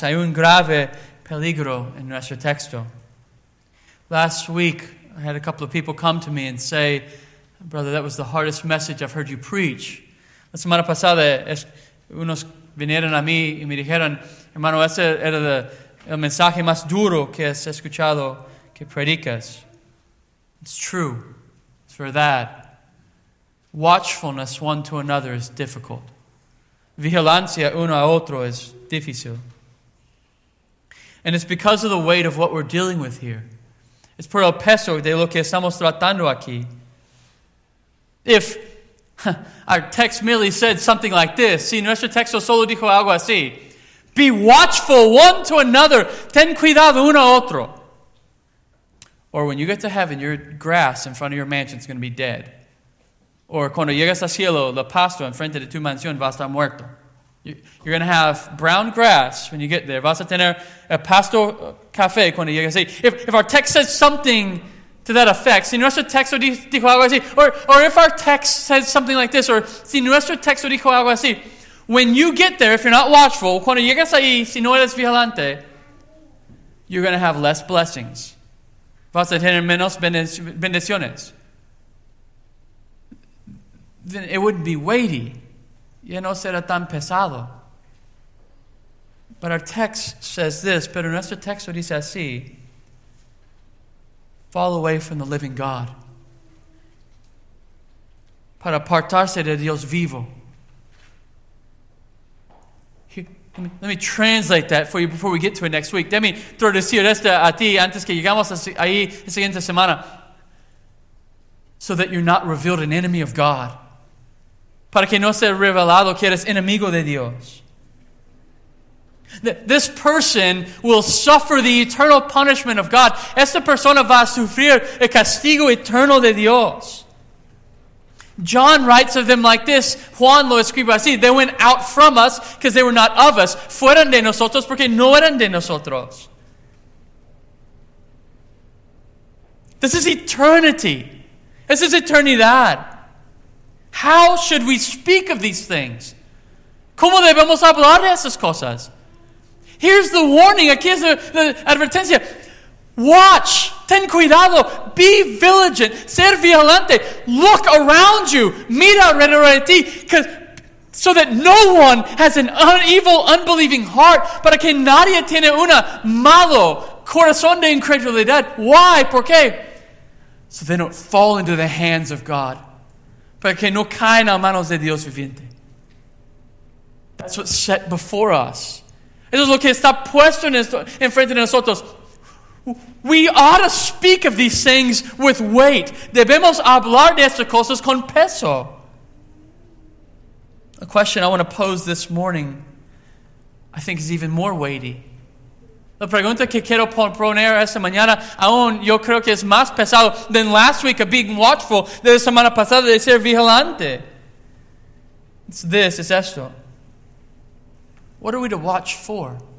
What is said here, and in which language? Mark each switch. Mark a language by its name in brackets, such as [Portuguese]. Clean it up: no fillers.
[Spanish] Hay un grave peligro en nuestro texto. [English] Last week, I had a couple of people come to me and say, "Brother, that was the hardest message I've heard you preach." [Spanish] La semana pasada, unos vinieron a mí y me dijeron, "Hermano, ese era el mensaje más duro que has escuchado que predicas." [English] It's true. It's for that. Watchfulness one to another is difficult. [Spanish] Vigilancia uno a otro is difícil. [English] And it's because of the weight of what we're dealing with here. [Spanish] It's por el peso de lo que estamos tratando aquí. [English] If our text merely said something like this, [Spanish] si nuestro texto solo dijo algo así, [English] be watchful one to another, [Spanish] ten cuidado uno a otro. [English] Or when you get to heaven, your grass in front of your mansion is going to be dead. [Spanish] Or cuando llegas al cielo, el pasto en frente de tu mansión va a estar muerto. [English] You're going to have brown grass when you get there. [Spanish] Vas a tener el pasto café cuando llegas ahí. [English] If our text says something to that effect, [Spanish] si nuestro texto dijo algo así, [English] or if our text says something like this, or si nuestro texto dijo algo así, when you get there, if you're not watchful, [Spanish] cuando llegas ahí, si no eres vigilante, [English] you're going to have less blessings. [Spanish] Vas a tener menos bendiciones. [English] Then it wouldn't be weighty. [Spanish] Ya no será tan pesado. [English] But our text says this. [Spanish] Pero nuestro texto dice así. [English] Fall away from the living God. [Spanish] Para apartarse de Dios vivo. [English] Let me translate that for you before we get to it next week. Let me [Spanish] traducir esto a ti antes que llegamos ahí la siguiente semana. [English] So that you're not revealed an enemy of God. [Spanish] Para que no sea revelado que eres enemigo de Dios. [English] This person will suffer the eternal punishment of God. [Spanish] Esta persona va a sufrir el castigo eterno de Dios. [English] John writes of them like this. [Spanish] Juan lo escribe así. [English] They went out from us because they were not of us. [Spanish] Fueron de nosotros porque no eran de nosotros. [English] This is eternity. This is eternidad. How should we speak of these things? [Spanish] ¿Cómo debemos hablar de esas cosas? [English] Here's the warning. [Spanish] Aquí es la advertencia. [English] Watch. [Spanish] Ten cuidado. [English] Be vigilant. [Spanish] Ser vigilante. [English] Look around you. [Spanish] Mira alrededor de ti. [English] So that no one has an evil, unbelieving heart. [Spanish] Para que nadie tiene una malo corazón de incredulidad. [English] Why? [Spanish] ¿Por qué? [English] So they don't fall into the hands of God. [Spanish] Para que no caen a manos de Dios viviente. [English] That's what's set before us. [Spanish] Eso es lo que está puesto en frente de nosotros. [English] We ought to speak of these things with weight. [Spanish] Debemos hablar de estas cosas con peso. [English] A question I want to pose this morning, I think, is even more weighty. [Spanish] La pregunta que quiero poner esta mañana, aún yo creo que es más pesado [English] than last week of being watchful, [Spanish] de la semana pasada de ser vigilante. [English] It's this, [Spanish] es esto. [English] What are we to watch for?